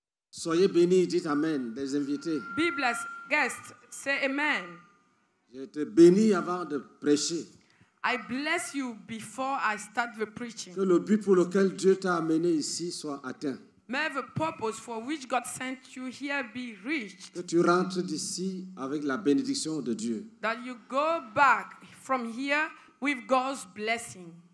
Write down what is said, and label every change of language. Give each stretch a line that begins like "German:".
French: Soyez bénis, dites amen, des invités.
English: Be blessed, guests, say amen.
French: Je te bénis avant de prêcher.
English: I bless you before I start the preaching.
French: Que le but pour lequel Dieu t'a amené ici soit atteint.
English: May the purpose for which God sent you here be reached.
French: Que tu rentres d'ici avec la bénédiction de Dieu.
English: That you go back from here with God's blessing.